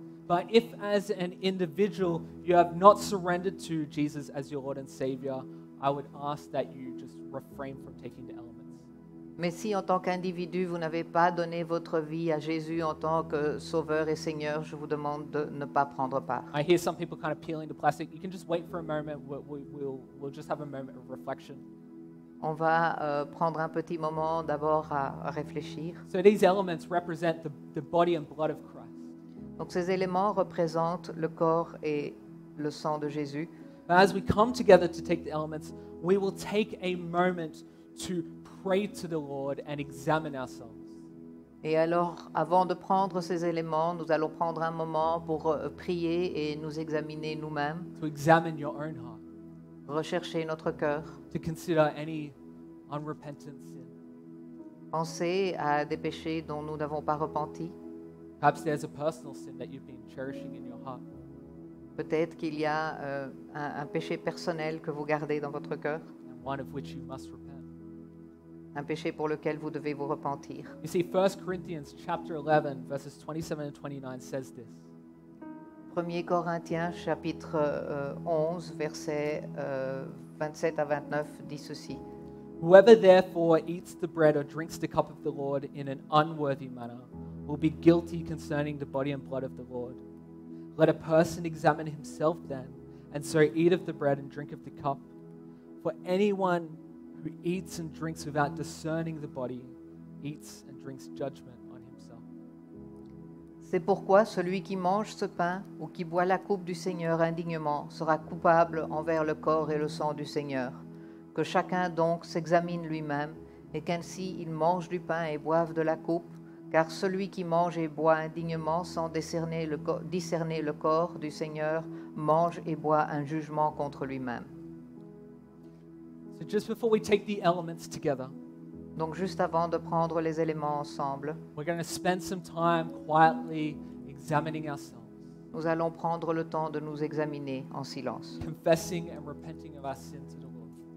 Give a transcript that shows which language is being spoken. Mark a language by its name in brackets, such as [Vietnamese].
[English] But if, as an individual, you have not surrendered to Jesus as your Lord and Savior, I would ask that you just refrain from taking the elements. [French] Mais si, en tant qu'individu, vous n'avez pas donné votre vie à Jésus en tant que Sauveur et Seigneur, je vous demande de ne pas prendre part. [English] I hear some people kind of peeling the plastic. You can just wait for a moment. We'll just have a moment of reflection. [French] On va prendre un petit moment d'abord à réfléchir. [English] So these elements represent the body and blood of Christ. [French] Donc ces éléments représentent le corps et le sang de Jésus. [English] But as we come together to take the elements, we will take a moment to pray to the Lord and examine ourselves. [French] Et alors, avant de prendre ces éléments, nous allons prendre un moment pour prier et nous examiner nous-mêmes. [English] To examine your own heart. [French] Rechercher notre cœur. [English] To consider any unrepentant sin. [French] Penser à des péchés dont nous n'avons pas repenti. [English] Perhaps there's a personal sin that you've been cherishing in your heart. [French] Peut-être qu'il y a un péché personnel que vous gardez dans votre cœur. [English] And one of which you must repent. [French] Un péché pour lequel vous devez vous repentir. [English] You see, 1 Corinthians chapter 11, verses 27 and 29 says this. [French] 1 Corinthiens chapitre 11, versets 27 à 29 dit ceci. [English] Whoever therefore eats the bread or drinks the cup of the Lord in an unworthy manner will be guilty concerning the body and blood of the Lord. Let a person examine himself then, and so eat of the bread and drink of the cup. For anyone who eats and drinks without discerning the body eats and drinks judgment on himself. [French] C'est pourquoi celui qui mange ce pain ou qui boit la coupe du Seigneur indignement sera coupable envers le corps et le sang du Seigneur. Que chacun donc s'examine lui-même, et qu'ainsi il mange du pain et boive de la coupe, car celui qui mange et boit indignement sans discerner le corps du Seigneur mange et boit un jugement contre lui-même. [English] So just before we take the elements together, [French] donc juste avant de prendre les éléments ensemble, [English] we're going to spend some time quietly examining ourselves. [French] Nous allons prendre le temps de nous examiner en silence. [English] Confessing and repenting of our sins to the Lord.